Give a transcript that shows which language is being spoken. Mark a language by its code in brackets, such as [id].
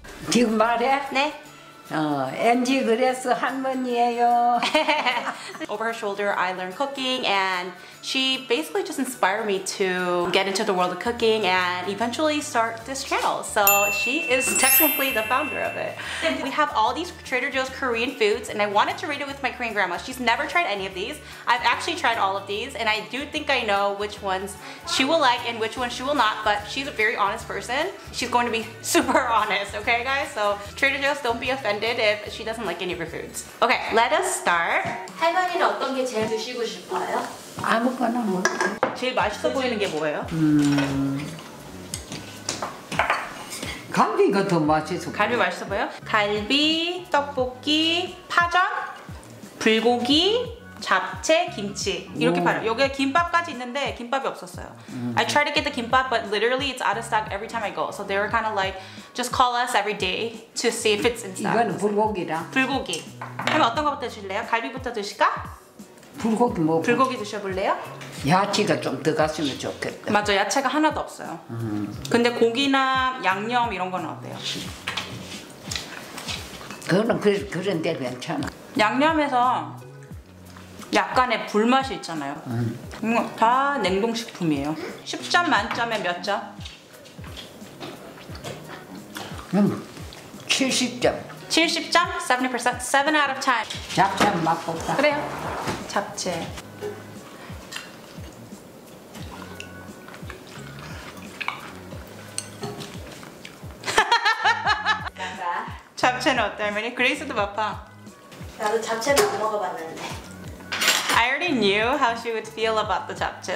[ko] 지금 말해? 네. 엔지 그레스 할머니예요. [en] Over her shoulder, I learned cooking, and she basically just inspired me to get into the world of cooking and eventually start this channel. So she is technically the founder of it. We have all these Trader Joe's Korean foods, and I wanted to rate it with my Korean grandma. She's never tried any of these. I've actually tried all of these, and I do think I know which ones she will like and which ones she will not, but she's a very honest person. She's going to be super honest, okay, guys? So Trader Joe's, don't be offended if she doesn't like any of her foods. Okay, let us start. [ko] 할머니는 어떤 게 제일 드시고 싶어요? 아무거나 먹어. 제일 맛있어 보이는 게 뭐예요? 갈비가 더 맛있어. 갈비 보여. 맛있어 보여? 갈비, 떡볶이, 파전, 불고기, 잡채, 김치 이렇게 오. 팔아요. 여기에 김밥까지 있는데 김밥이 없었어요. [en] I try to get the kimbap, but literally it's out of stock every time I go. So they were kind of like, just call us every day to see if it's in stock. [ko] 이건 불고기다. 불고기. 그럼 어떤 거부터 드실래요? 갈비부터 드실까? 불고기 먹어. 불고기 드셔볼래요? 야채가 좀 들어갔으면 좋겠다. 맞아, 야채가 하나도 없어요. 근데 고기나 양념 이런 건 어때요? 그건 그런데 괜찮아. 양념에서 약간의 불맛이 있잖아요. 다 냉동식품이에요. 10점 만점에 몇 점? 70점. 70점? 70%? [en] 7 out of 10. [ko] 잡채 한번 맛볼까? 그래요. 잡채. 잡채는 어때, 할머니? 그레이스도 맛봐. 나도 잡채는 안 먹어봤는데. [en] I already knew how she would feel about the japchae.